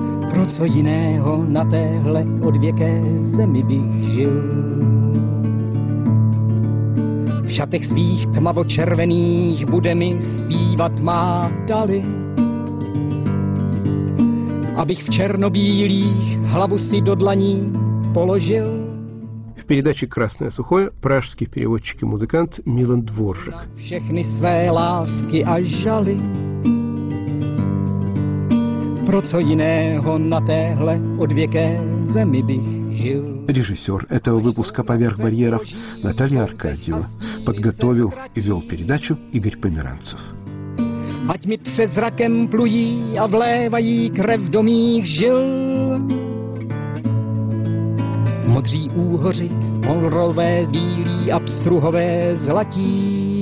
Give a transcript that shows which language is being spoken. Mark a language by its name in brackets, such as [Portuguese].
[Czech] Pro co jiného na téhle odvěké zemi bych žil? V šatech svých tmavočervených bude mi zpívat má dali, abych v černobílých hlavu si do dlaní položil. [Russian] V передаче «Красное сухое» [Czech] pražský [Russian] переводчик и музыкант Milan Dvořák. [Czech] Všechny své lásky a žaly, pro co jiného na téhle odvěké zemi bych žil. [Russian] Режиссер этого выпуска «Поверх барьеров» Наталья Аркадьева. Подготовил и вел передачу Игорь Померанцев. [Czech] Ať mi před zrakem plují a vlévají krev do mých žil. Modří úhoři, polrové, bílí a pstruhové zlatí.